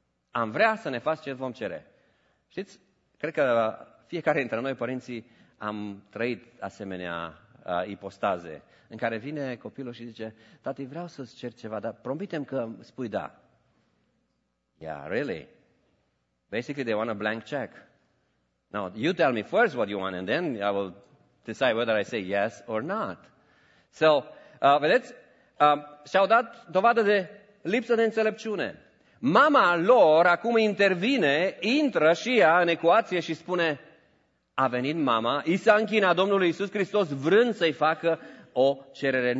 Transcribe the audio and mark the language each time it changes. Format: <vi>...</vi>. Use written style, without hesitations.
<ro>am vrea să ne faci ce vom cere. Știți, cred că fiecare dintre noi, părinții, am trăit asemenea ipostaze, în care vine copilul și zice, tati, vreau să-ți cer ceva, dar promite-mi că spui da.</ro> <en>Yeah, really? Basically, they want a blank check. Now, you tell me first what you want, and then I will decide whether I say yes or not.</en> <ro>So, vedeți, și-au dat dovadă de lipsă de înțelepciune. Mama lor acum intervine, intră și ea în ecuație și spune, a venit mama, i s-a închinat Domnului Iisus Hristos vrând să-i facă o cerere.</ro>